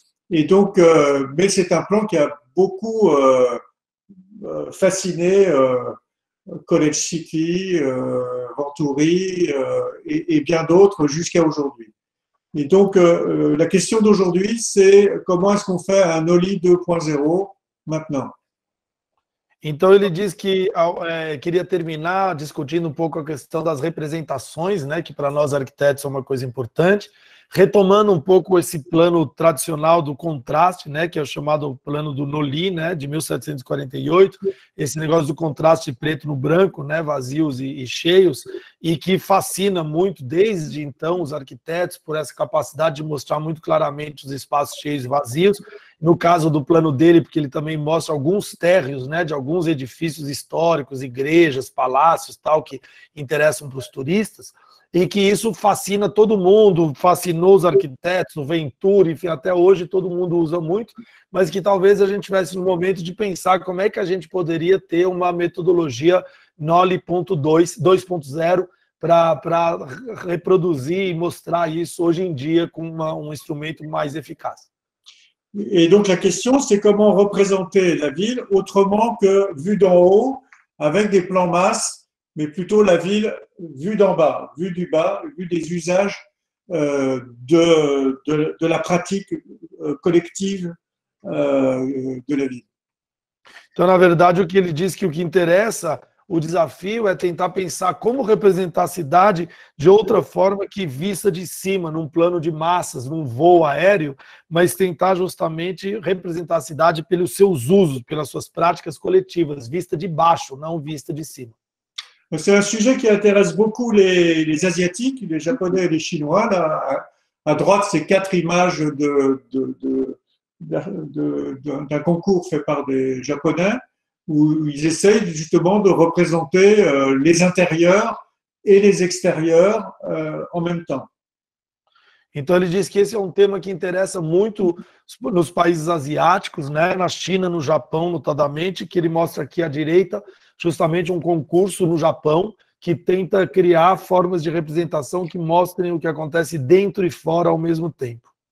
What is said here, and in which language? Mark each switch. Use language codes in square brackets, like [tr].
[fr] Et donc, mais c'est un plan qui a beaucoup fasciné College City, Venturi et bien d'autres jusqu'à aujourd'hui. Et donc, la question d'aujourd'hui, c'est comment est-ce qu'on fait un Noli 2.0 maintenant? [pt] Então ele diz que queria terminar discutindo um pouco a questão das representações, né, que para nós arquitetos é uma coisa importante, retomando um pouco esse plano tradicional do contraste, né, que é o chamado plano do Noli, né, de 1748, esse negócio do contraste preto no branco, né, vazios e cheios, e que fascina muito desde então os arquitetos por essa capacidade de mostrar muito claramente os espaços cheios e vazios. No caso do plano dele, porque ele também mostra alguns térreos, né, de alguns edifícios históricos, igrejas, palácios, tal, que interessam para os turistas, e que isso fascina todo mundo, fascinou os arquitetos, o Venturi, enfim, até hoje todo mundo usa muito, mas que talvez a gente tivesse no momento de pensar como é que a gente poderia ter uma metodologia Noli 2.0 para reproduzir e mostrar isso hoje em dia com um instrumento mais eficaz. [fr] Et donc la question, c'est comment représenter la ville autrement que vue d'en haut, avec des plans masses, mais plutôt la ville vue d'en bas, vue du bas, vue des usages de la pratique collective de la ville. [pt] Então, na verdade, o que ele diz que o que interessa, o desafio é tentar pensar como representar a cidade de outra forma que vista de cima, num plano de massas, num voo aéreo, mas tentar justamente representar a cidade pelos seus usos, pelas suas práticas coletivas, vista de baixo, não vista de cima. É um sujeito que interessa muito os asiáticos, os japoneses e os chinois. [fr] À droite, [pt] são quatro imagens [fr] d'un concours [pt] feito por japoneses. [fr] Où ils essayent justement de représenter les intérieurs et les extérieurs en même temps. [pt] Então ele diz que esse é um tema que interessa muito nos países asiáticos, né, na China, no Japão, notadamente, que ele mostra aqui à direita, justamente um concurso no Japão que tenta criar formas de representação que mostrem o que acontece dentro e fora ao mesmo tempo.